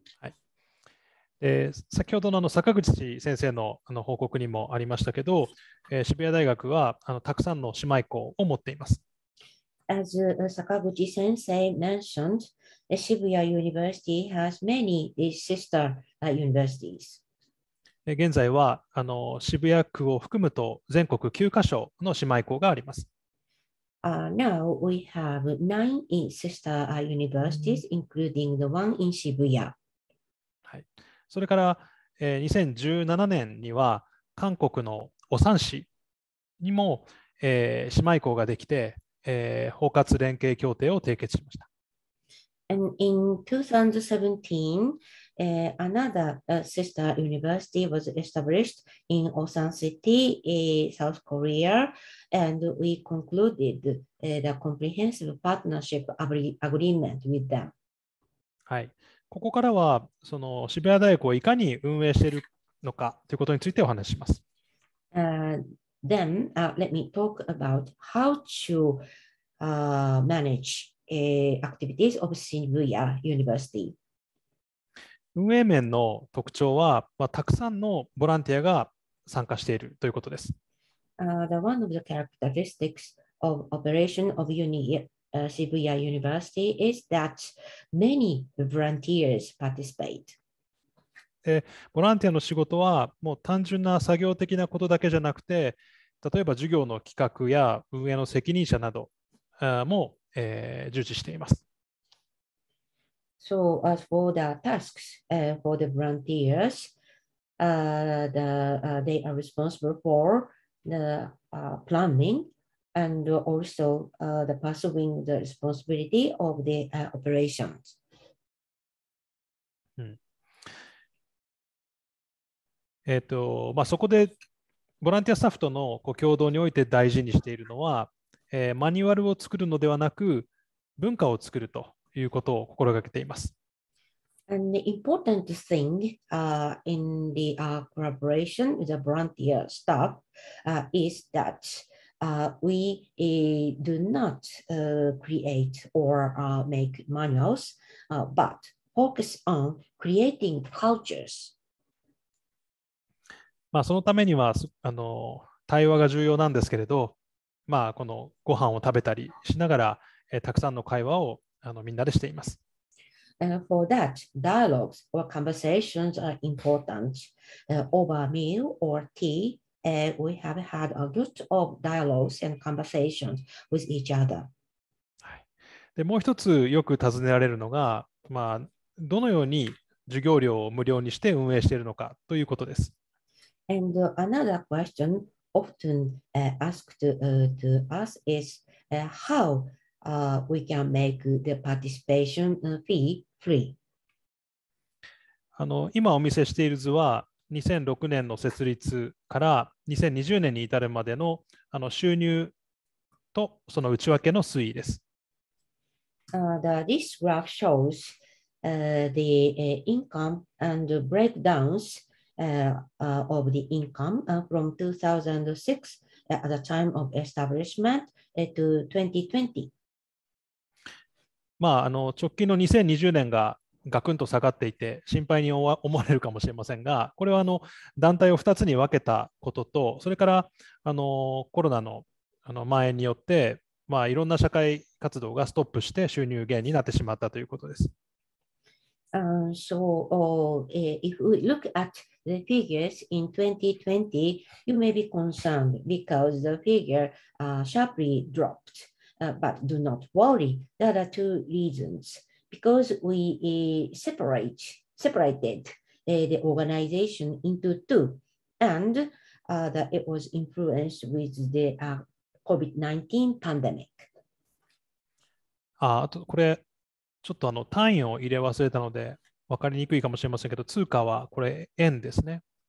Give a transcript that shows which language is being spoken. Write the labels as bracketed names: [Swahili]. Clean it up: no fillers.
[Japanese] はい、先ほど の、 あの坂口先生 の、 あの報告にもありましたけど、渋谷大学はあのたくさんの姉妹校を持っています。 [English] As 坂口先生 mentioned, Shibuya University has many sister universities. [Japanese] 現在はあの渋谷区を含むと全国9カ所の姉妹校があります。 [English] Now we have 9 sister universities, including the one in Shibuya. [Japanese] はい。それから、2017年には韓国の釜山市にも、姉妹校ができて、包括連携協定を締結しました。 [English] And in 2017, another sister university was established in Osan City, South Korea, and we concluded the comprehensive partnership agreement with them. [Japanese] はい。ここからはその渋谷大学をいかに運営しているのかということについてお話しします。 [English] Then, let me talk about how to manage activities of Shibuya University. [Japanese] 運営面の特徴は、まあ、たくさんのボランティアが参加しているということです。 [English] The one of the characteristics of operation of Shibuya University is that many volunteers participate. [Japanese] ボランティアの仕事はもう単純な作業的なことだけじゃなくて、例えば授業の企画や運営の責任者なども、従事しています。 [English] So as for the tasks for the volunteers, they are responsible for the planning and also the pursuing the responsibility of the operations.、 [Japanese] うん、まあ、そこでボランティアスタッフとのこう共同において大事にしているのは、マニュアルを作るのではなく文化を作るということを心がけています。 [English] And the important thing in the collaboration with the volunteer staff is that we do not create or make manuals, but focus on creating cultures. [Japanese] まあ、そのためにはあの対話が重要なんですけれど、まあ、このご飯を食べたりしながらたくさんの会話をあのみんなでしています。 [English] For that, dialogues or conversations are important. Over meal or tea, we have had a lot of dialogues and conversations with each other. [Japanese] でもう一つよく尋ねられるのが、まあ、どのように授業料を無料にして運営しているのかということです。 [English] And another question often asked to us is how we can make the participation fee free. [Japanese] あの今お見せしている図は2006年の設立から2020年に至るまでの、あの収入とその内訳の推移です。 [English] This graph shows the income and the breakdowns of the income from 2006 at the time of establishment to 2020. [Japanese] まあ、あの直近の2020年がガクンと下がっていて心配に思われるかもしれませんが、これはあの団体を2つに分けたことと、それからあのコロナの蔓延によって、まあ、いろんな社会活動がストップして収入減になってしまったということです。 [English] So, if we look at the figures in 2020, you may be concerned because the figure sharply dropped. But do not worry, there are two reasons. Because we separated the organization into two, and that it was influenced with the COVID-19 pandemic. [Japanese] あとこれちょっとあの単位を入れ忘れたので分かりにくいかもしれませんけど、通貨はこれ円ですね。